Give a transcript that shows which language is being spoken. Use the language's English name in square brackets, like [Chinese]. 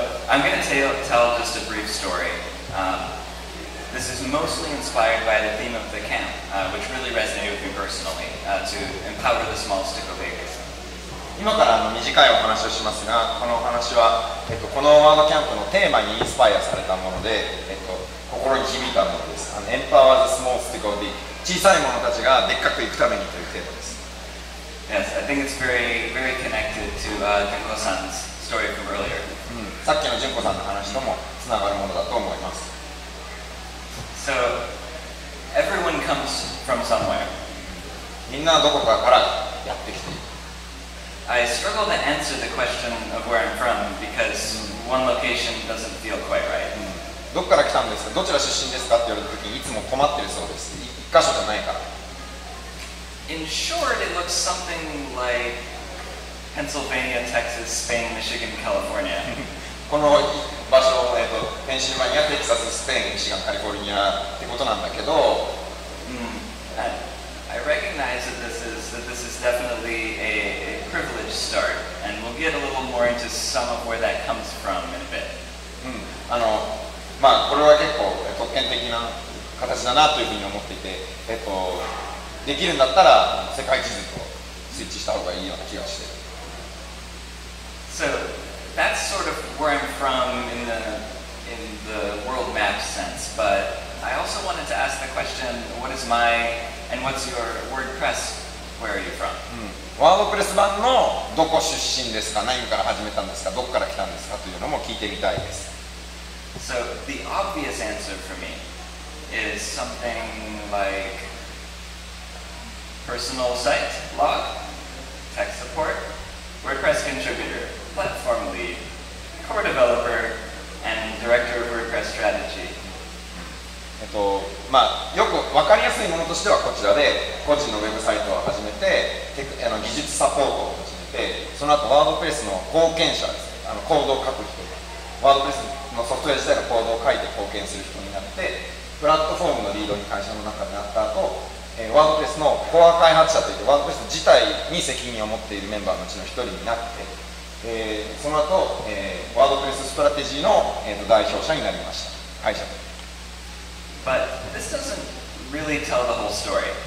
[English] I'm going to tell just a brief story. This is mostly inspired by the theme of the camp, which really resonated with me personally, to empower the small stick of babies. [Japanese] 今から短いお話をしますが、このお話は、このワードキャンプのテーマにインスパイアされたもので、心に響いたものです。 [English] Empower the small stick of babies。 [Japanese] 小さい者たちがでっかくいくためにというテーマです。 [English] Yes, I think it's very, very connected to Junko-san's story from earlier. [Japanese] さっきの Junko-san の話ともつながるものだと思います。 [English] So, everyone comes from somewhere. [Japanese] みんなどこかからやってきている。 [English] I struggle to answer the question of where I'm from because one location doesn't feel quite right. [Japanese] どこから来たんですか？どちら出身ですか？って言われた時にいつも困ってるそうです。一箇所じゃないから。 [English] In short, it looks something like Pennsylvania, Texas, Spain, Michigan, California. [Japanese] この場所は、ペンシルバニア、テキサス、スペイン、ミシガン、カリフォルニアってことなんだけど、 [English] I recognize that this is definitely a privileged start, and we'll get a little more into some of where that comes from in a bit. [Japanese] これは結構特権的な形だなというふうに思っていて、できるんだったら世界地図とスイッチした方がいいような気がしている。 [English] So that's sort of where I'm from in the world map sense. But I also wanted to ask the question, what is my and what's your WordPress? Where are you from? [Japanese] ワードプレス版のどこ出身ですか？何から始めたんですか？どこから来たんですか？というのも聞いてみたいです。 [English] So the obvious answer for me is something like personal site, blog, tech support, WordPress contributor, platform lead, core developer, and director of WordPress strategy. [Japanese] よく分かりやすいものとしてはこちらで個人のウェブサイトを始めて技術サポートを始めてその後ワードプレスの貢献者です、ね、コードを書く人ワードプレスのソフトウェア自体のコードを書いて貢献する人になってプラットフォームのリードに会社の中になった後、ワードプレスのコア開発者といってワードプレス自体に責任を持っているメンバーのうちの一人になって、その後、ワードプレスストラテジーの、代表者になりました会社と。 [English] But this doesn't really tell the whole story.